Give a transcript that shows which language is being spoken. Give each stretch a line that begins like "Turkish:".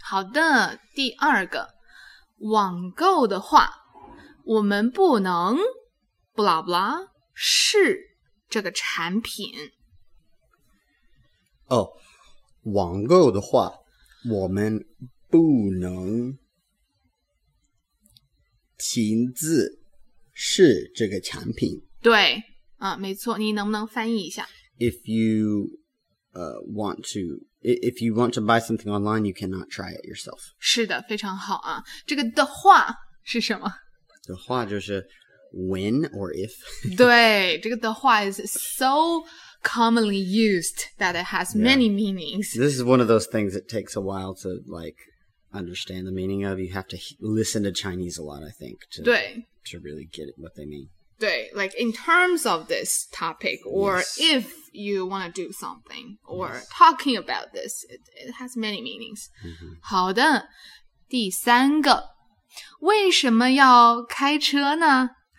Chinese: 好的, 第二个, 网购的话, 我们不能, blah blah, 试这个产品。 Oh, 网购的话, 我们不能, 亲自试这个产品。对, 没错, 你能不能翻译一下?
English: If you want to buy something online, you cannot try it yourself.
Chinese: 是的, 非常好啊。这个的话是什么? 的话就是
English: when or if. 对, 这个的话 is so commonly used that it has many meanings. This is one of those things that takes a while to, like, understand the meaning of. You have to listen to Chinese a lot, I think, to really get what they mean. 对, like in terms of this topic, or yes. if you want to do something, or yes. talking about this, it has many meanings. Mm-hmm.
Chinese: 好的, 第三个, 为什么要开车呢?